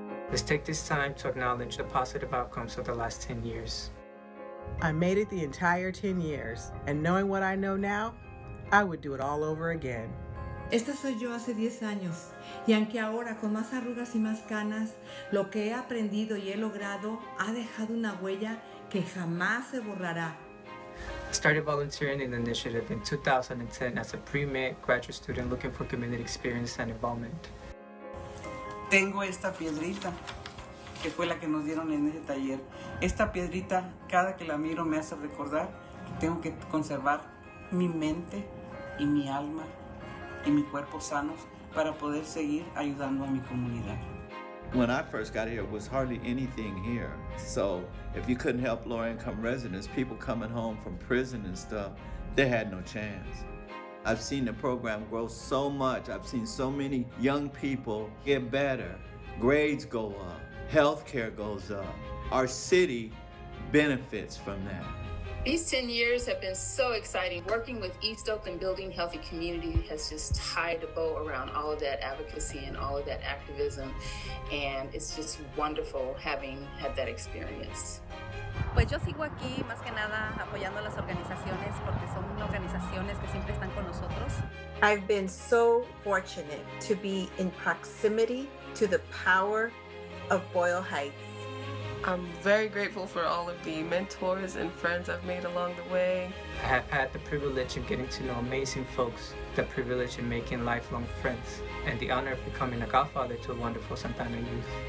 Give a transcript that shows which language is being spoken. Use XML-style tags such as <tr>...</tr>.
<en>Let's take this time to acknowledge the positive outcomes of the last 10 years. I made it the entire 10 years, and knowing what I know now, I would do it all over again.</en> <es>Esta soy yo hace 10 años, y aunque ahora con más arrugas y más canas, lo que he aprendido y he logrado ha dejado una huella que jamás se borrará.</es> <en>I started volunteering in the initiative in 2010 as a pre-med graduate student looking for community experience and involvement.</en> <es>Tengo esta piedrita, que fue la que nos dieron en ese taller. Esta piedrita, cada que la miro, me hace recordar que tengo que conservar mi mente y mi alma y mi cuerpo sanos para poder seguir ayudando a mi comunidad.</es> <en>When I first got here, it was hardly anything here. So if you couldn't help low-income residents, people coming home from prison and stuff, they had no chance. I've seen the program grow so much. I've seen so many young people get better. Grades go up, healthcare goes up. Our city benefits from that. These 10 years have been so exciting. Working with East Oak and building healthy community has just tied a bow around all of that advocacy and all of that activism. And it's just wonderful having had that experience.</en> <es>Pues yo sigo aquí más que nada apoyando a las organizaciones porque son organizaciones que siempre están con nosotros.</es> <en>I've been so fortunate to be in proximity to the power of Boyle Heights. I'm very grateful for all of the mentors and friends I've made along the way. I have had the privilege of getting to know amazing folks, the privilege of making lifelong friends, and the honor of becoming a godfather to a wonderful Santa Ana youth.</en>